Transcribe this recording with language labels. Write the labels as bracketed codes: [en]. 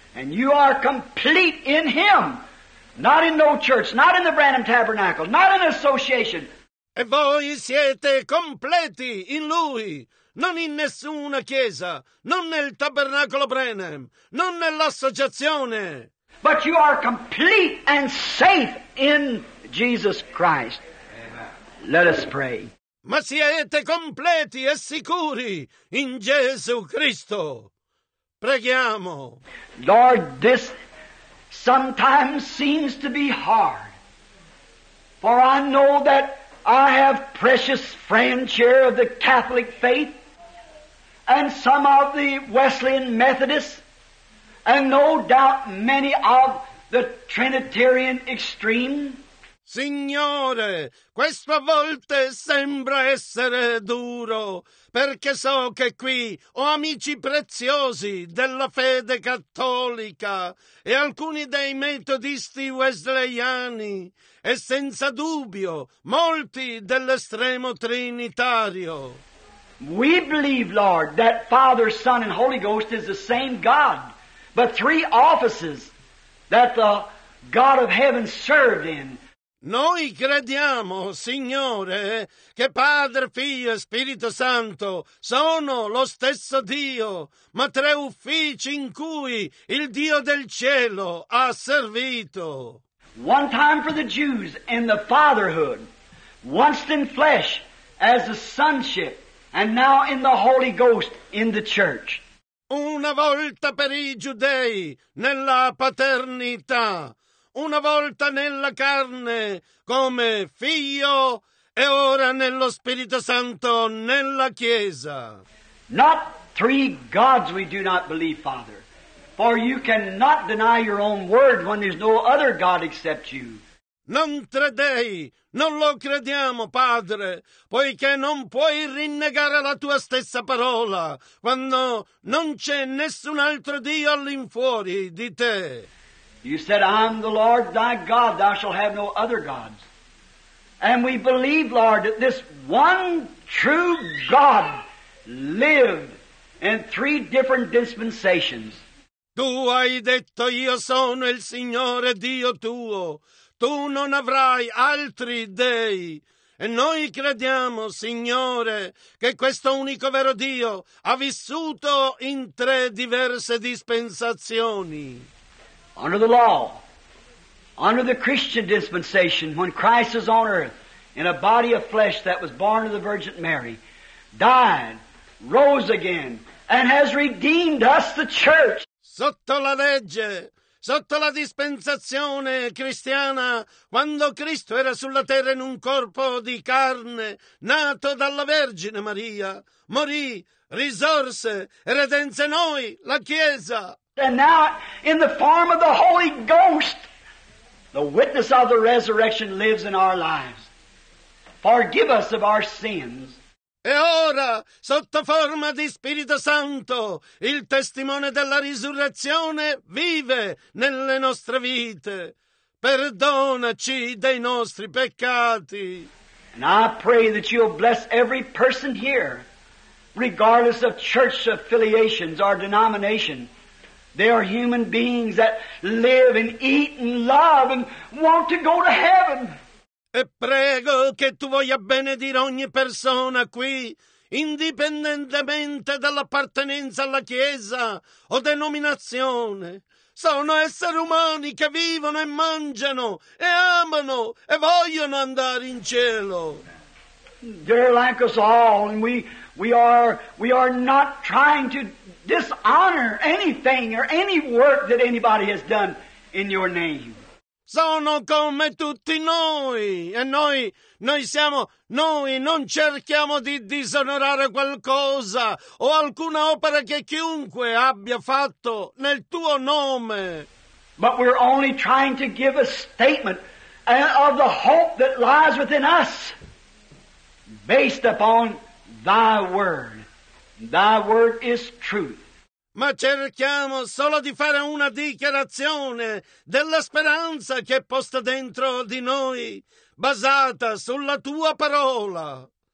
[en] And you are complete in Him, not in no church, not in the Branham Tabernacle, not in association. [it] E voi siete completi in Lui, non in nessuna chiesa, non nel tabernacolo Branham, non nell'associazione. [en] But you are complete and safe in Jesus Christ. Amen. Let us pray. [it] Ma siete completi e sicuri in Gesù Cristo. Preghiamo. [en] Lord, this sometimes seems to be hard, for I know that I have precious friends here of the Catholic faith and some of the Wesleyan Methodists and no doubt many of the Trinitarian extreme. [it] Signore, questo a volte sembra essere duro, perché so che qui ho amici preziosi della fede cattolica e alcuni dei metodisti wesleyani e senza dubbio molti dell'estremo trinitario. [en] We believe, Lord, that Father, Son, and Holy Ghost is the same God, but three offices that the God of Heaven served in. [it] Noi crediamo, Signore, che Padre, Figlio e Spirito Santo sono lo stesso Dio, ma tre uffici in cui il Dio del cielo ha servito. [en] One time for the Jews in the fatherhood, once in flesh as a sonship, and now in the Holy Ghost in the church. [it] Una volta per i giudei nella paternità, una volta nella carne come figlio e ora nello Spirito Santo nella Chiesa. [en] Not three gods we do not believe, Father, for you cannot deny your own word when there's no other God except you. [it] Non tre dei, non lo crediamo, Padre, poiché non puoi rinnegare la tua stessa parola quando non c'è nessun altro Dio all'infuori di te. [en] You said, I am the Lord thy God, thou shalt have no other gods. And we believe, Lord, that this one true God lived in three different dispensations. [it] Tu hai detto, io sono il Signore Dio tuo. Tu non avrai altri dei. E noi crediamo, Signore, che questo unico vero Dio ha vissuto in tre diverse dispensazioni. [en] Under the law, under the Christian dispensation, when Christ is on earth in a body of flesh that was born of the Virgin Mary, died, rose again, and has redeemed us, the church. [it] Sotto la legge, sotto la dispensazione cristiana, quando Cristo era sulla terra in un corpo di carne, nato dalla Vergine Maria, morì, risorse, redenze noi, la Chiesa. [en] And now, in the form of the Holy Ghost, the witness of the resurrection lives in our lives. Forgive us of our sins. [it] E ora, sotto forma di Spirito Santo, il testimone della risurrezione vive nelle nostre vite. Perdonaci dei nostri peccati. [en] And I pray that you'll bless every person here, regardless of church affiliations or denomination. They are human beings that live and eat and love and want to go to heaven. [it] E prego che tu voglia benedire ogni persona qui, indipendentemente dall'appartenenza alla Chiesa o denominazione. Sono esseri umani che vivono e mangiano e amano e vogliono andare in cielo. [en] They're like us all, and we are not trying to dishonor anything or any work that anybody has done in your name. [it] Sono come tutti noi, e noi siamo noi, non cerchiamo di disonorare qualcosa o alcuna opera che chiunque abbia fatto nel tuo nome. [en] But we're only trying to give a statement and of the hope that lies within us, based upon Thy Word. Thy Word is truth. [it] Ma cerchiamo solo di fare una dichiarazione della speranza che è posta dentro di noi, basata sulla Tua parola.